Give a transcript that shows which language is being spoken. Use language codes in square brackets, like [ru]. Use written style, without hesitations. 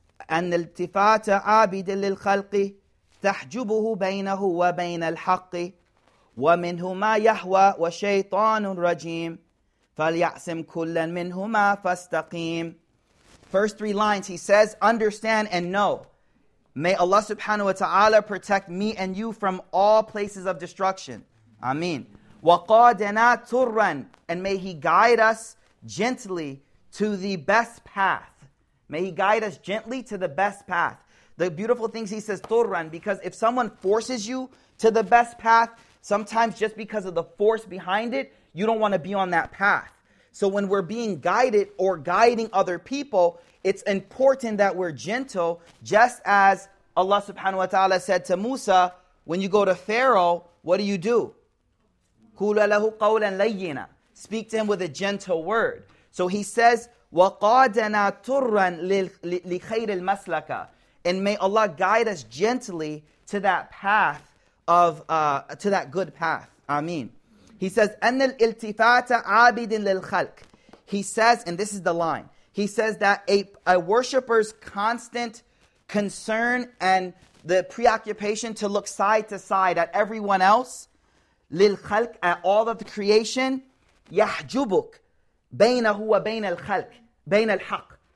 [ar] أن التفات عابد للخلق تحجبه بينه وبين الحق ومنهما يهوى وشيطان رجيم فليعصم كل منهما فاستقيم. [en] First three lines, he says, understand and know. May Allah subhanahu wa ta'ala protect me and you from all places of destruction. [ar] Ameen. وَقَادَنَا تُرًّا. [en] And may he guide us gently to the best path. May he guide us gently to the best path. The beautiful things he says, turran, because if someone forces you to the best path, sometimes just because of the force behind it, you don't want to be on that path. So when we're being guided or guiding other people, it's important that we're gentle, just as Allah subhanahu wa ta'ala said to Musa, when you go to Pharaoh, what do? [ar] قُلَ لَهُ قَوْلًا لَيِّنًا. [en] Speak to him with a gentle word. So he says, [ar] وَقَادَنَا تُرًّا لِخَيْرِ الْمَسْلَكَ. [en] And may Allah guide us gently to that path to that good path. Ameen. He says, [ar] أَنَّ الْإِلْتِفَاتَ عَابِدٍ لِلْخَلْقِ. [en] He says, and this is the line, he says that a worshipper's constant concern and the preoccupation to look side to side at everyone else, للخلق, at all of the creation, [ar] يحجبك بينه وبين الخلق, بين الحق.